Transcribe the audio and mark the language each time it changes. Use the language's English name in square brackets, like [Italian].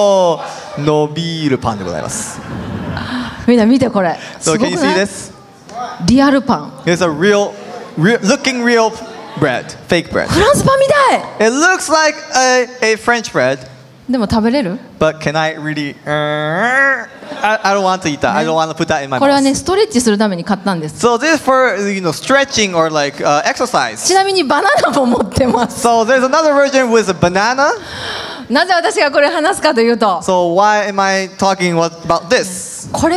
[Japanese] おー伸びるパンでございます。みんな見てこれ。 [English] So, can you see this? [Japanese] リアルパン。 [English] It's a real, looking real bread. Fake bread. [Japanese] フランスパンみたい。 [English] It looks like a French bread. [Japanese] でも食べれる? [English] But can I really? I don't want to eat that. I don't want to put that in my mouth. [Japanese] これはね、ストレッチするために買ったんです。 [English] So this is for you know stretching or like exercise. [Japanese] ちなみにバナナも持ってます。 [English] So there's another version with a banana. [Japanese] なぜ私がこれ話すかというと。 [English] So why am I talking about this?